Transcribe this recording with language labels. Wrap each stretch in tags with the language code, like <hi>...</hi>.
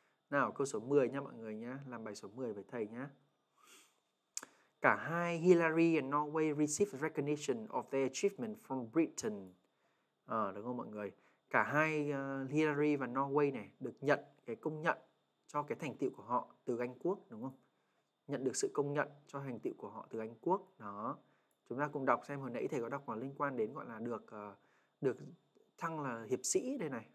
<vi>Nào, câu số 10 nha mọi người nhá, làm bài số 10 với thầy nhá. Cả hai</vi> <en>Hillary and Norway received recognition of their achievement from Britain.</en> <vi>À, đúng không mọi người? Cả hai Hillary và Norway này được nhận cái công nhận cho cái thành tựu của họ từ Anh Quốc, đúng không? Nhận được sự công nhận cho thành tựu của họ từ Anh Quốc. Đó. Chúng ta cùng đọc xem hồi nãy thầy có đọc còn liên quan đến gọi là được thăng là hiệp sĩ đây này.</vi>